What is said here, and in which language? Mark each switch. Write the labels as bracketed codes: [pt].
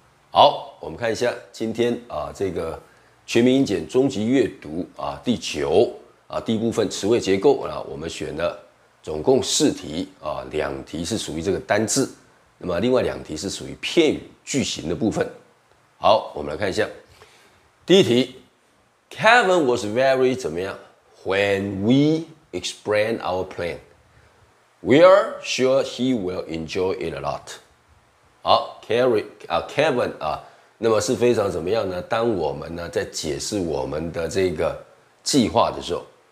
[zh] 好，我们看一下今天这个全民英检终极阅读第九。第一部分词汇结构我们选了总共四题两题是属于这个单字，那么另外两题是属于片语句型的部分。好，我们来看一下第一题 [en] ，Kevin was very [zh] 怎么样 [en] ？When we explain our plan, we are sure he will enjoy it a lot. [zh] 好 ，Kevin 那么是非常怎么样呢？当我们呢在解释我们的这个计划的时候。